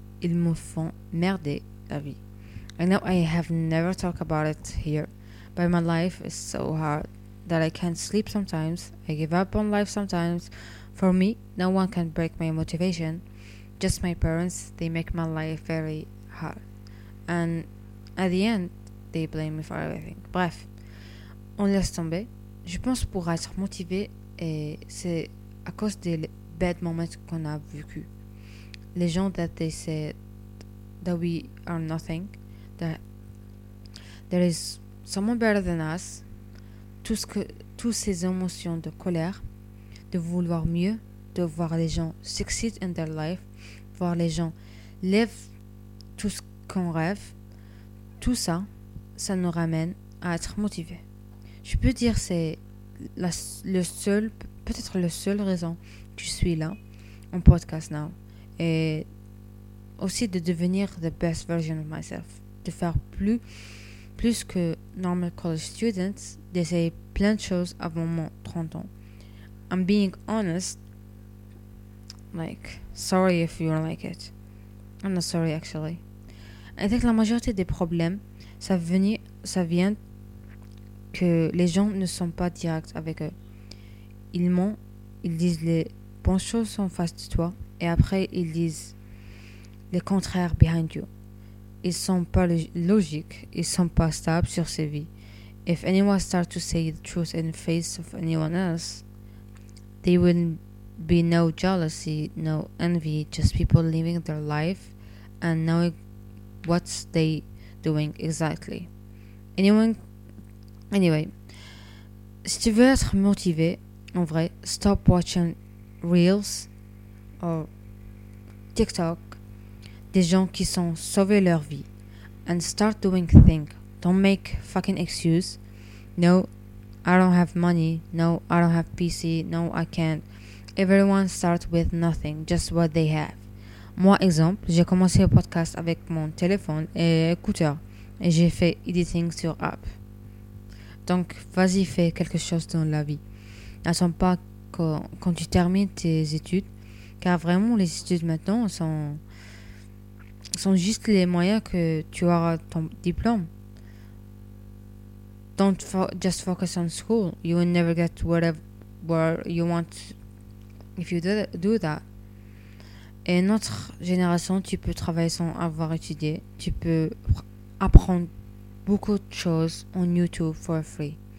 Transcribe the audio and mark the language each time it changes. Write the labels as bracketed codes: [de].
[fr] Ils me font merder la vie. [en] I know I have never talked about it here, but my life is so hard that I can't sleep sometimes. I give up on life sometimes. For me, no one can break my motivation. Just my parents, they make my life very hard. And at the end, they blame me for everything. [fr] Bref, on laisse tomber. Je pense pour être motivé, et c'est à cause des [en] bad moments [fr] qu'on a vécu. Les gens [en] that they said that we are nothing, that there is someone better than us, [fr] toutes ces émotions de colère, de vouloir mieux, de voir les gens [en] succeed in their life, [fr] voir les gens live tout ce qu'on rêve, tout ça, ça nous ramène à être motivés. Je peux dire que c'est peut-être la seule raison que je suis là, en podcast now, et aussi de devenir [en] the best version of myself, [fr] de faire plus que [en] normal college students, [fr] d'essayer plein de choses avant mon 30 ans. [en] I'm being honest, like, sorry if you don't like it. I'm not sorry, actually. I think [fr] la majorité des problèmes, ça vient que les gens ne sont pas directs avec eux. Ils mentent, ils disent les bonnes choses en face de toi, et après ils disent les contraires [en] behind you. [fr] Ils sont pas logiques, ils sont pas stables sur ces vies. [en] If anyone starts to say the truth in the face of anyone else, there will be no jealousy, no envy, just people living their life and knowing what they doing exactly. Anyway, [fr] si tu veux être motivé, en vrai, [en] stop watching reels or TikTok [fr] des gens qui sont sauvés leur vie [en] and start doing things. Don't make fucking excuses. No, I don't have money. No, I don't have PC. No, I can't. Everyone starts with nothing, just what they have. [fr] Moi, exemple, j'ai commencé le podcast avec mon téléphone et écouteur et j'ai fait editing sur app. Donc, vas-y, fais quelque chose dans la vie. N'attends pas quand tu termines tes études, car vraiment, les études maintenant sont sont juste les moyens que tu auras ton diplôme. [en] Don't just focus on school. You will never get whatever you want if you do that. [fr] Et notre génération, tu peux travailler sans avoir étudié. Tu peux apprendre beaucoup de choses [en] on YouTube for free.